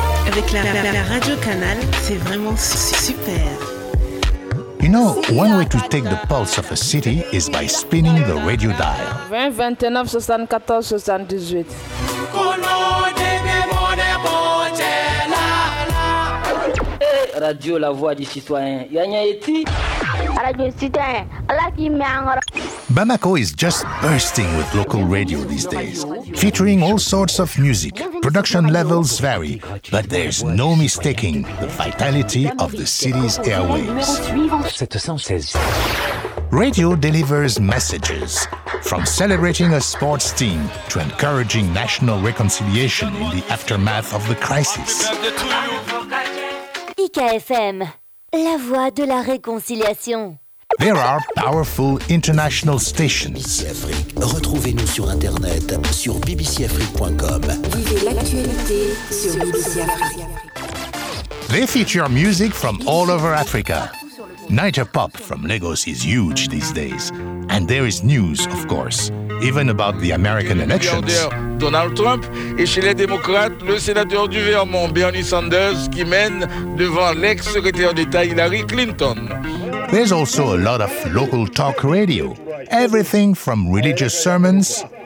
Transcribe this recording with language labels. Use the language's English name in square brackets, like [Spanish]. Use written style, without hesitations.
[French] Avec la radio canal, c'est vraiment super. [English] You know, one way to take the pulse of a city is by spinning the radio dial. 2029 74 78. [French] Radio la voix du citoyen. Yanya Eti. Radio citoyen. Allah qui met en rap. [English] Bamako is just bursting with local radio these days, featuring all sorts of music. Production levels vary, but there's no mistaking the vitality of the city's airwaves. Radio delivers messages, from celebrating a sports team to encouraging national reconciliation in the aftermath of the crisis. [French] IKFM, la voix de la réconciliation. [English] There are powerful international stations. [French] BBC Afrique. Retrouvez-nous sur Internet, sur bbcafrique.com. Vivez l'actualité sur BBC Afrique. [English] They feature music from all over Africa. Niger Pop from Lagos is huge these days. And there is news, of course, even about the American elections. [French] Donald Trump et chez les démocrates, le sénateur du Vermont Bernie Sanders qui mène devant l'ex-secrétaire d'État Hillary Clinton. [English] There's also a lot of local talk radio. Everything from religious sermons.